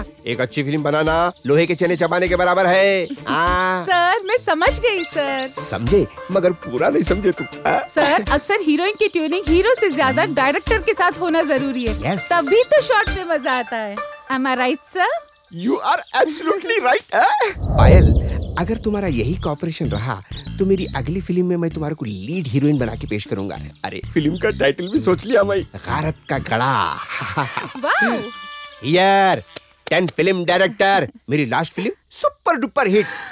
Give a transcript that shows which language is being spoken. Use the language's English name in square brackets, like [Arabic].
[Hindi] एक अच्छी फिल्म बनाना लोहे के चने चबाने के बराबर है। सर मैं समझ गई सर। समझे मगर पूरा नहीं समझे तू। सर अक्सर हीरोइन की ट्यूनिंग हीरो से ज्यादा डायरेक्टर के साथ होना जरूरी है। [English] yes. [Hindi] तभी तो शॉट में मजा आता है। [English] Am I right, sir? You are absolutely right. [Hindi] पायल, अगर तुम्हारा यही कॉपरेशन रहा तो मेरी अगली फिल्म में मैं तुम्हारे को लीड हीरोइन बना के पेश करूंगा। अरे फिल्म का टाइटल भी सोच लिया मैं, गारत का गड़ा। यार 10 फिल्म डायरेक्टर, मेरी last film super duper hit.